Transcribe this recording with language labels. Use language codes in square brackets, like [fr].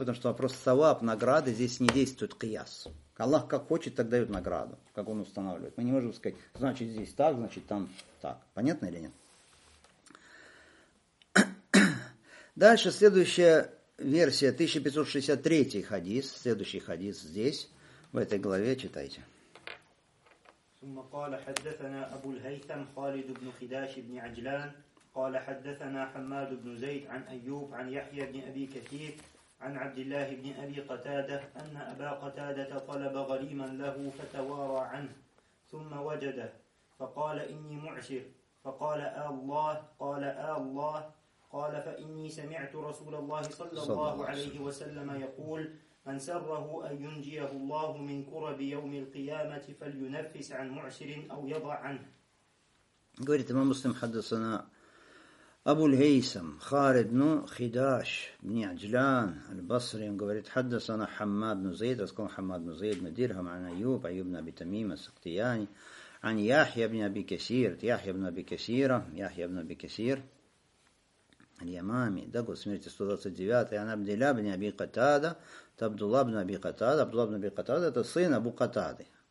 [ru] Потому что вопрос саваб, награды, здесь не действует кияс. Аллах как хочет, так дает награду, как он устанавливает. Мы не можем сказать, значит здесь так, значит там так. Понятно или нет? Дальше следующая версия, 1563 хадис, следующий хадис здесь, в этой главе, читайте. [ar] ثم قال حدثنا أبو الهيثم خالد بن خداش بن عجلان قال حدثنا حماد بن زيد عن أيوب عن يحيى بن أبي كثير عن عبد الله بن أبي قتادة أن أبا قتادة طلب غريما له فتوارى عنه ثم وجده فقال إني معشر فقال آلله قال آلله قال فإني سمعت رسول الله صلى الله عليه وسلم يقول من سره أن ينجيه الله من كرب يوم القيامة فلينفس عن معشر أو يضع عنه. [ru] Говорит имам Муслим, хаддасана Абуль-Хейсам, Харидну, Хидаш, Мниаджлян, Аль-Басри, он говорит, хаддасана Хаммадну Зейд, рассказал Хаммадну Зейд, Мадирхам, Ан-Аюб, Аюб на Абитамима, Сактияни, Ан-Яхья бни Абикасир, Яхья бни Абикасира, Яхья бни Абикасир, Аль-Ямами, да, год смерти 129-й, Ан-Абдилля бни Абикатада, Табдулла бни Абикатада, Абдулла бни Абикатада, это сын Абу-Катады.